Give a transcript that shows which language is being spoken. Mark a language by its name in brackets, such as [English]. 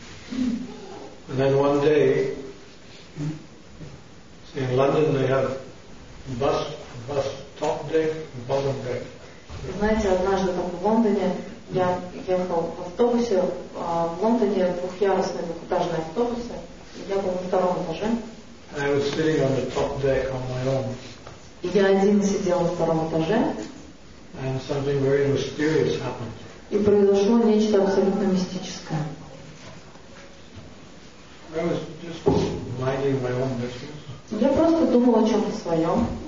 [English] And then one day, in London they have bus top deck, bottom deck. [Russian] Знаете, однажды там в Лондоне я ехал в автобусе, а в Лондоне двухъярусные двухэтажные автобусы, я был на втором этаже. [English] I was sitting on the top deck on my own. [Russian] Я один сидел на втором этаже. [English] And something very mysterious happened. [Russian] И произошло нечто абсолютно мистическое. [English] I was just minding my own business. [Russian] Я просто думал о чем-то своем.